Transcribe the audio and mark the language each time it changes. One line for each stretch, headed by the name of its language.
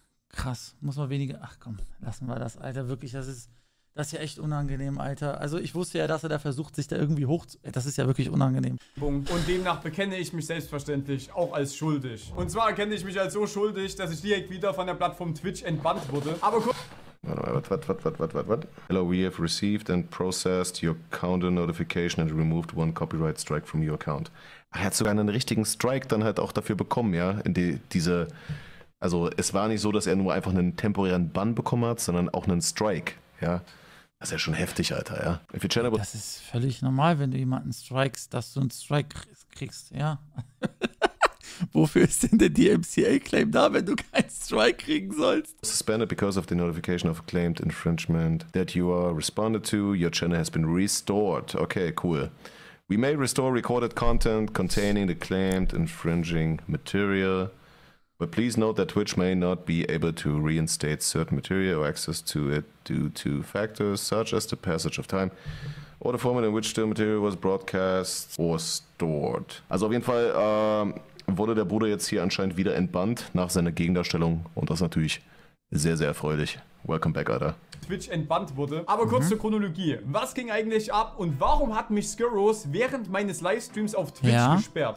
German: Krass, muss man weniger... Ach komm, lassen wir das, Alter. Wirklich, das ist ja echt unangenehm, Alter. Also ich wusste ja, dass er da versucht, sich da irgendwie das ist ja wirklich unangenehm. Und demnach bekenne ich mich selbstverständlich auch als schuldig. Und zwar erkenne ich mich als so schuldig, dass ich direkt wieder von der Plattform Twitch entbannt wurde. Aber guck... Warte.
English: Hello, we have received and processed your counter notification and removed one copyright strike from your account.
German: Er hat sogar einen richtigen Strike dann halt auch dafür bekommen, ja? Also es war nicht so, dass er nur einfach einen temporären Bann bekommen hat, sondern auch einen Strike, ja? Das ist ja schon heftig, Alter, ja? Das ist völlig normal, wenn du jemanden strikest, dass du einen Strike kriegst, ja? Wofür ist denn der DMCA-Claim da, wenn du keinen Strike kriegen sollst?
English: Suspended because of the notification of claimed infringement that you are responded to. Your channel has been restored. Okay, cool. We may restore recorded content containing the claimed infringing material. But please note that Twitch may not be able to reinstate certain material or access to it due to factors such as the passage of time or the format in which the material was broadcast or stored.
German: Also auf jeden Fall wurde der Bruder jetzt hier anscheinend wieder entbannt nach seiner Gegendarstellung und das ist natürlich sehr, sehr erfreulich.
English: Welcome back,
German: Alter. Twitch entbannt wurde. Aber kurz zur Chronologie. Was ging eigentlich ab und warum hat mich Skyros während meines Livestreams auf Twitch gesperrt?